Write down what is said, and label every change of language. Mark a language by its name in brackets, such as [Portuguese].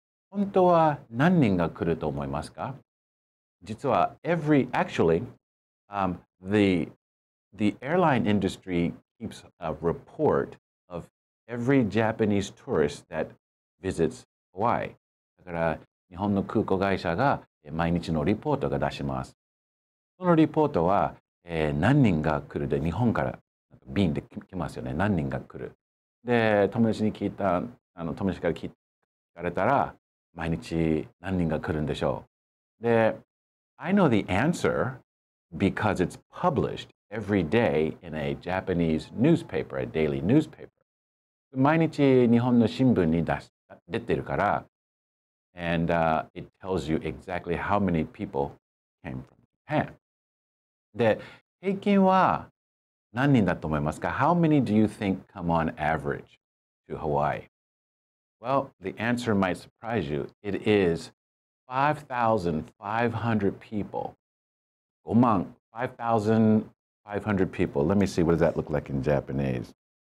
[Japanese] 本当は何人が来ると思いますか？実は、 [English] the airline industry keeps a report of every Japanese tourist that visits Hawaii. [Japanese] だから日本の空港会社が毎日のリポートが出します。そのリポートは、何人が来るで日本からなんか便で来ますよね。何人が来る。で、友達に聞いた、友達から聞かれたら、毎日何人が来るんでしょう。 [English] で、I know the answer because it's published every day in a Japanese newspaper, a daily newspaper. [Japanese] 毎日日本の新聞に出てるから、 [English] And it tells you exactly how many people came from Japan. [Japanese] で、平均は何人だと思いますか? [English] How many do you think come on average to Hawaii? Well, the answer might surprise you. It is 5,500 people. 5,500 people. Let me see, what does that look like in Japanese?